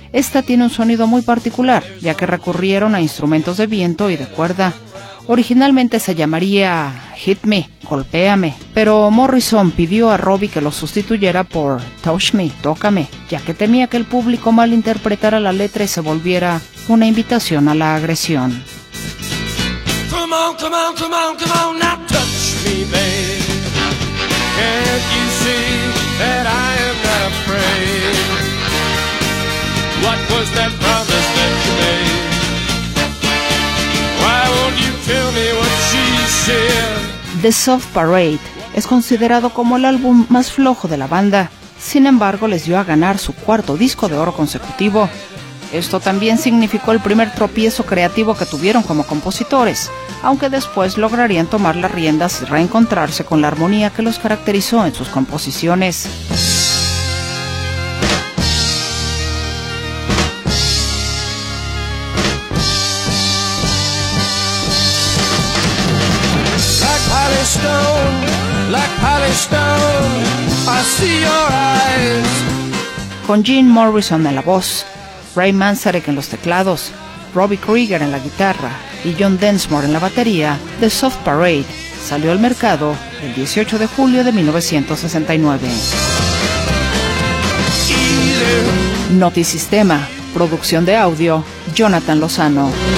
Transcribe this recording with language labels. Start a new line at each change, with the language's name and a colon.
Spanish: Esta tiene un sonido muy particular, ya que recurrieron a instrumentos de viento y de cuerda. Originalmente se llamaría Hit Me, Golpéame, pero Morrison pidió a Robbie que lo sustituyera por Touch Me, Tócame, ya que temía que el público malinterpretara la letra y se volviera una invitación a la agresión.
English: Come on, come on, come on, come on, now touch me, babe. Can't you see that I am not afraid? What was that promise that you made? Why won't you tell me what she said?
Spanish: The Soft Parade es considerado como el álbum más flojo de la banda. Sin embargo, les dio a ganar su cuarto disco de oro consecutivo. Esto también significó el primer tropiezo creativo que tuvieron como compositores, aunque después lograrían tomar las riendas y reencontrarse con la armonía que los caracterizó en sus composiciones.
English: Like Palestine, like Palestine, I see your eyes.
Spanish: Con Jim Morrison en la voz, Ray Manzarek en los teclados, Robbie Krieger en la guitarra y John Densmore en la batería, The Soft Parade salió al mercado el 18 de julio de 1969. Notisistema, producción de audio, Jonathan Lozano.